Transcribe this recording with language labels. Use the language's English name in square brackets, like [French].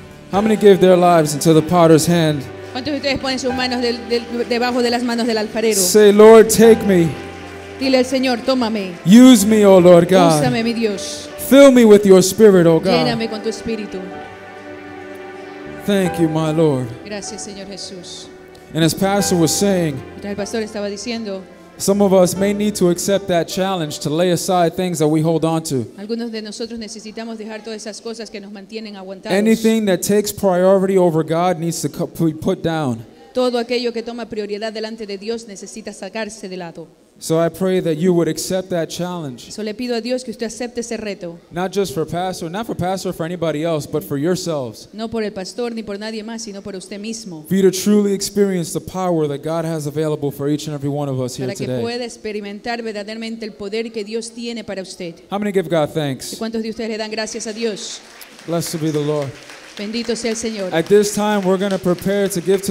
[English] How many gave their lives into the potter's hand? [Spanish] ¿Cuántos de ustedes ponen sus manos debajo de las manos del alfarero? [English] Say, Lord, take me. [Spanish] Dile al Señor, tómame. [English] Use me, oh Lord God. [Spanish] Úsame, mi Dios. [English] Fill me with your spirit, oh God. [Spanish] Lléname con tu espíritu. [English] Thank you, my Lord. [Spanish] Gracias, Señor Jesús. [English] And as Pastor was saying, [Spanish] el pastor estaba diciendo, [English] some of us may need to accept that challenge to lay aside things that we hold on to. [Spanish] Algunos de nosotros necesitamos dejar todas esas cosas que nos mantienen aguantados. [English] Anything that takes priority over God needs to be put down. [Spanish] Todo aquello que toma prioridad delante de Dios necesita sacarse de lado. [English] So I pray that you would accept that challenge. [Spanish] Le pido a Dios que usted acepte ese reto. [English] Not just for pastor, not for pastor, for anybody else, but for yourselves. [Spanish] No por el pastor ni por nadie más, sino por usted mismo. [English] For you to truly experience the power that God has available for each and every one of us here today. [Spanish] Para que pueda experimentar verdaderamente el poder que Dios tiene para usted. [English] How many give God thanks? [Spanish] ¿Y cuántos de ustedes le dan gracias a Dios? [English] Blessed be the Lord. [Spanish] Bendito sea el Señor. [English] At this time, we're going to prepare to give to the